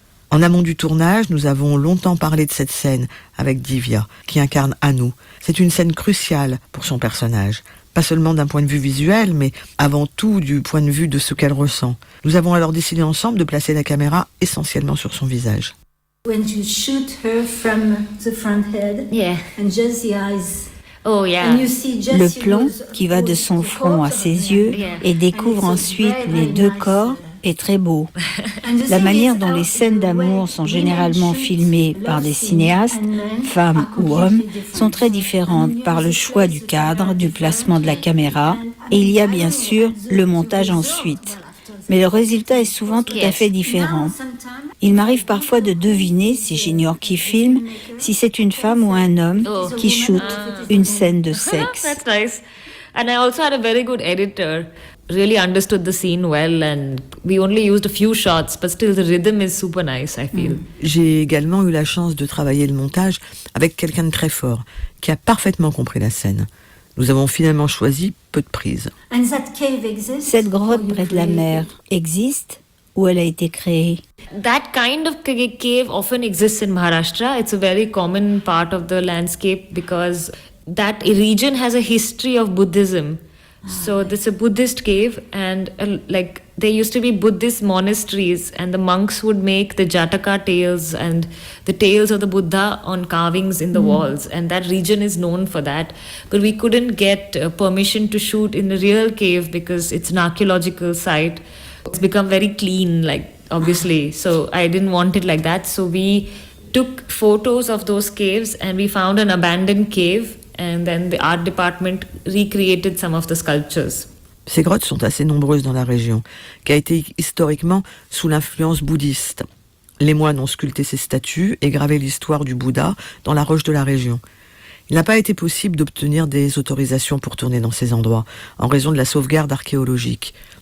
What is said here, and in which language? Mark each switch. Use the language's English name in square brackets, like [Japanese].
[French] En amont du tournage, nous avons longtemps parlé de cette scène avec Divya, qui incarne Anu. C'est une scène cruciale pour son personnage, pas seulement d'un point de vue visuel, mais avant tout du point de vue de ce qu'elle ressent. Nous avons alors décidé ensemble de placer la caméra essentiellement sur son visage. [English] When you shoot her from the front head, yeah, and just the eyes. Oh, yeah. And you see Jessie, [French] le plan qui va de son front à ses yeux, yeah, et découvre ensuite [English] very, very [French] les [English] nice [French] deux corps est très beau. La manière dont les scènes d'amour sont généralement filmées par des cinéastes, femmes ou hommes, sont très différentes par le choix du cadre, du placement de la caméra, et il y a bien sûr le montage ensuite. Mais le résultat est souvent tout à fait différent. Il m'arrive parfois de deviner, si j'ignore qui filme, si c'est une femme ou un homme qui shoot une scène de sexe. [English] That's nice. And I also had a very good editor. Really understood the scene well, and we only used a few shots, but still the rhythm is super nice, I feel. [French] J'ai également eu la chance de travailler le montage avec quelqu'un de très fort, qui a parfaitement compris la scène. Nous avons finalement choisi peu de prises. [English] And that cave exists? [French] Cette grotte près de la mer existe ou elle a été créée? [English] That kind of cave often exists in Maharashtra. It's a very common part of the landscape because that region has a history of Buddhism. So it's a Buddhist cave, and like there used to be Buddhist monasteries, and the monks would make the Jataka tales and the tales of the Buddha on carvings in the walls. And that region is known for that. But we couldn't get permission to shoot in a real cave because it's an archaeological site. It's become very clean, like, obviously. So I didn't want it like that. So we took photos of those caves and we found an abandoned cave. And then the art department recreated some of the sculptures. [French] Ces grottes sont assez nombreuses dans la région, qui a été historiquement sous l'influence bouddhiste. Les moines ont sculpté ces statues et gravé l'histoire du Bouddha dans la roche de la région. Il n'a pas été possible d'obtenir des autorisations pour tourner dans ces endroits, en raison de la sauvegarde archéologique.